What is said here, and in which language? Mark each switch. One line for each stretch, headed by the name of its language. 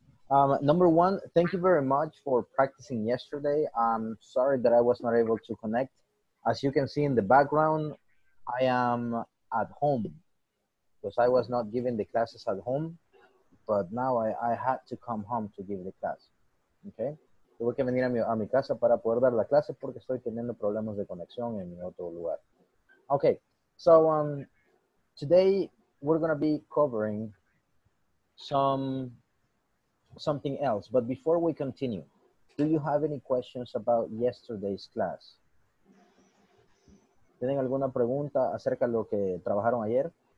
English: Number one, thank you very much for practicing yesterday. I'm sorry that I was not able to connect. As you can see in the background, I am at home because I was not giving the classes at home, but now I had to come home to give the class. Okay?
Spanish: Tuve que venir a mi casa para poder dar la clase porque estoy teniendo problemas de conexión en mi otro lugar.
English: Okay, so today we're going to be covering something else. But before we continue, do you have any questions about yesterday's class?
Spanish: ¿Tienen alguna pregunta acerca de lo que trabajaron ayer?